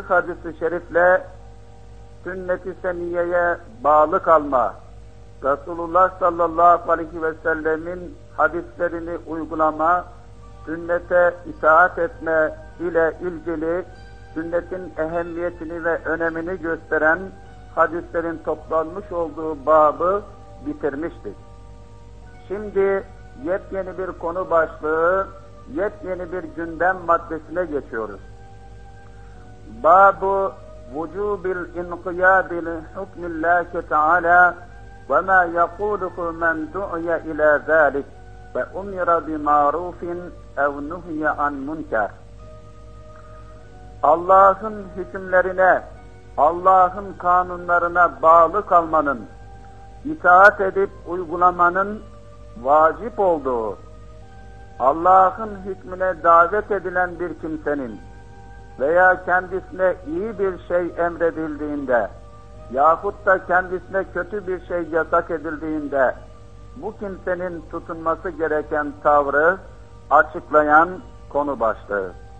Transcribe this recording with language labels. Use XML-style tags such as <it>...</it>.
<tr>hadis-i şerifle sünnet-i seniyyeye bağlı kalma, Resulullah sallallahu aleyhi ve sellemin hadislerini uygulama, sünnete itaat etme ile ilgili sünnetin ehemmiyetini ve önemini gösteren hadislerin toplanmış olduğu babı bitirmiştik. Şimdi yepyeni bir konu başlığı, yepyeni bir gündem maddesine geçiyoruz.</tr> <ar>Babu وجوب الانقياد لحكم الله تعالى وما يقوله من دعي الى ذلك وامر بمعروف او نهي عن منكر.</ar> <tr>Allah'ın hükümlerine, Allah'ın kanunlarına bağlı kalmanın, itaat edip uygulamanın vacip olduğu, Allah'ın hükmüne davet edilen bir kimsenin veya kendisine iyi bir şey emredildiğinde yahut da kendisine kötü bir şey yasak edildiğinde bu kimsenin tutunması gereken tavrı açıklayan konu başlığı.</tr>